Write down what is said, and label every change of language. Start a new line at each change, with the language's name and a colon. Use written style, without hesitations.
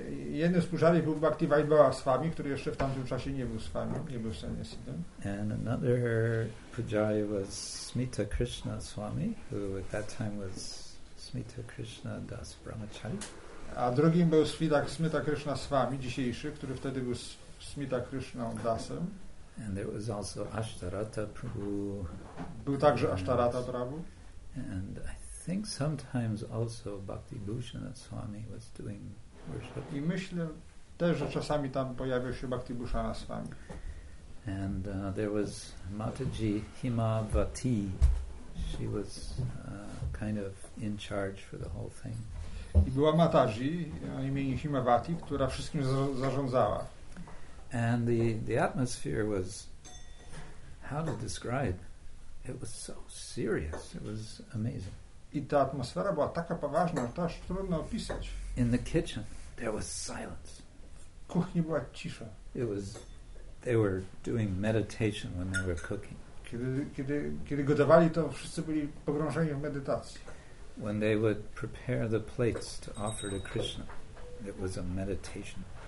Polish: Jednym z pujari był Bhakti Vaibhava Swami, który jeszcze w tamtym czasie nie był swami, nie był sannyasi.
English: And another pujari was Smita Krishna Swami, who at that time was Smita Krishna Das Brahmachari.
Polish: A drugim był Smita Krishna Swami, dzisiejszy, który wtedy był Smita Krishna Dasem.
English: And there was also Ashtarata Prabhu.
Polish: Był także Ashtarata Prabhu.
English: And I think sometimes also Bhakti Bhushana Swami was doing worship.
Polish: I myślę też, że czasami tam pojawił się Bhakti Bhushana Swami.
English: And there was Mataji Himavati. She was kind of in charge for the whole thing.
Polish: I była Mataji o imieniu Himavati, która wszystkim zarządzała.
English: And the atmosphere was, how to describe, it was so serious, it was amazing.
Polish: I ta atmosfera była taka poważna, że to aż trudno opisać.
English: In the kitchen, there was silence.
Polish: W kuchni była cisza.
English: It was, they were doing meditation when they were cooking.
Polish: Kiedy gotowali, to wszyscy byli pogrążeni w medytacji.
English: When they would prepare the plates to offer to Krishna, it was a meditation.